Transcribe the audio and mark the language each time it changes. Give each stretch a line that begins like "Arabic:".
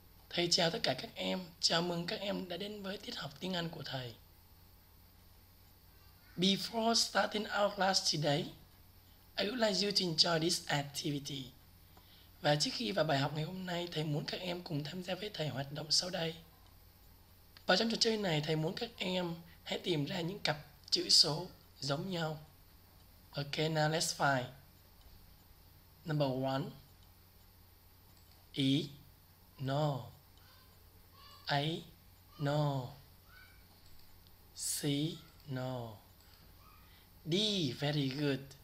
Vietnamese: Thầy chào tất cả các em, chào mừng các em đã đến với tiết học tiếng Anh của thầy.
English: Before starting our class today, I would like you to enjoy this activity.
Vietnamese: Và trước khi vào bài học ngày hôm nay, thầy muốn các em cùng tham gia với thầy hoạt động sau đây. Và trong trò chơi này, thầy muốn các em hãy tìm ra những cặp chữ số giống nhau.
English: Ok, now let's find. Number one, E, no, A, no, C, no, D, very good.